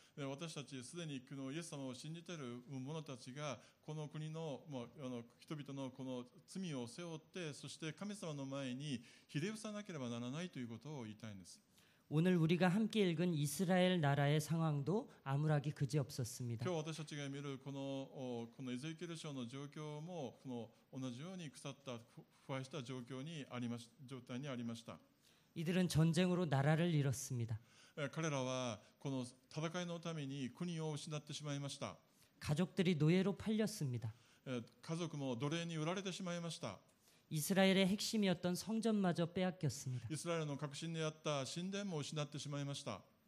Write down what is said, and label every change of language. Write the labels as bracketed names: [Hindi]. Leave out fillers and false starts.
[Japanese] 私たちすでにこのイエス様を信じている者たちがこの国の、まあ、人々のこの罪を背負ってそして神様の前にひれ伏さなければならないということを言いたいんです。 [Korean] 오늘우리가함께읽은이스라엘나라의상황도아무락이그지없었습니다。 [Japanese] 今日私たちが見るこの、このエゼキエル書の状況もこの同じように腐った腐敗した状況にありまし状態にありました。 [Korean] 이들은전쟁으로나라를잃었습니다。 [Japanese] 彼らはこの戦いのために国を失ってしまいました。 [Korean] 가족들이노예로팔렸습니다。 [Japanese] 家族も奴隷に売られてしまいました。 [Korean] 이스라엘의핵심이었던성전마저빼앗겼습니다。 이스라엘의 [Japanese] 核心であった神殿も失ってしまいました。